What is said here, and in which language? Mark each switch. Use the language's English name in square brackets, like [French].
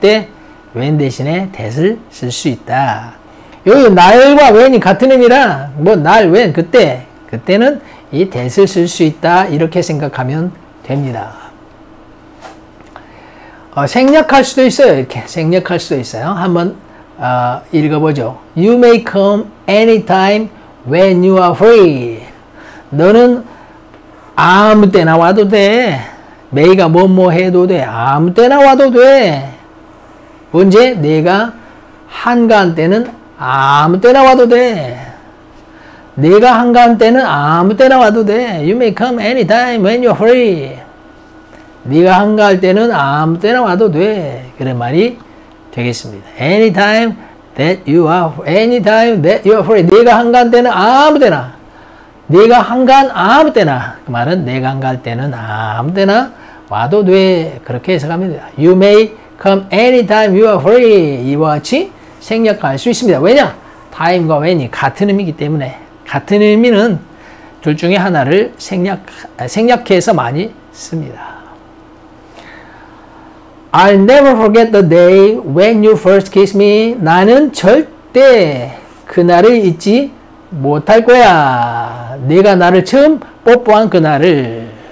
[Korean] 그때 when 대신에 that을 쓸 수 있다. 여기 날과 when이 같은 의미라 뭐 날, when, 그때는 이 that을 쓸 수 있다. 이렇게 생각하면 됩니다. 생략할 수도 있어요. 이렇게 생략할 수도 있어요. 한번 읽어보죠. [English] You may come anytime when you are free. [Korean] 너는 아무 때나 와도 돼. may가 뭐뭐 해도 돼. 아무 때나 와도 돼. 언제? 내가 한가한 때는 아무 때나 와도 돼. 내가 한가한 때는 아무 때나 와도 돼. [English] you may come anytime when you are free. [Korean] 네가 한가할 때는 아무 때나 와도 돼. 그런 말이 되겠습니다. [English] anytime that you are anytime that you are free. [Korean] 네가 한가한 때는 아무 때나. 네가 한가한 아무 때나. 그 말은 내가 한가할 때는 아무 때나 와도 돼. 그렇게 해석합니다. [English] You may come anytime you are free. [Korean] 이와 같이 생략할 수 있습니다. 왜냐? time과 when이 같은 의미이기 때문에. 같은 의미는 둘 중에 하나를 생략해서 많이 씁니다. [English] I'll never forget the day when you first kissed me. [Korean] 나는 절대 그날을 잊지 못할 거야. 네가 나를 처음 뽀뽀한 그날을.